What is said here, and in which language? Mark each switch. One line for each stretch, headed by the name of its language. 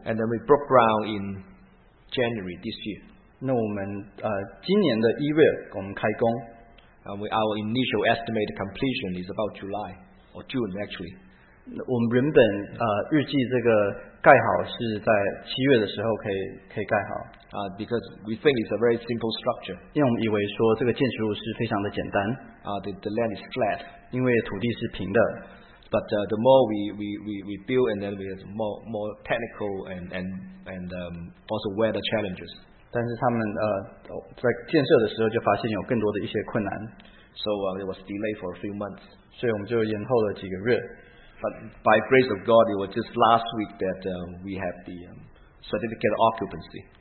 English: And then we broke ground in January this year.
Chinese: 那我们今年的一月我们开工。
English: Our initial estimated completion is about July or June actually.
Chinese: 我们原本预计这个盖好是在七月的时候可以盖好。
English: Because we think it's a very simple structure.
Chinese: 因为我们以为说这个建筑物是非常的简单。
English: The land is flat.
Chinese: 因为土地是平的。
English: But the more we build, and then we have more technical and also weather challenges.
Chinese: 但是他们在建设的时候就发现有更多的一些困难。
English: So it was delayed for a few months.
Chinese: 所以我们就延后了几个月。
English: But by grace of God, it was just last week that we have the certificate of occupancy.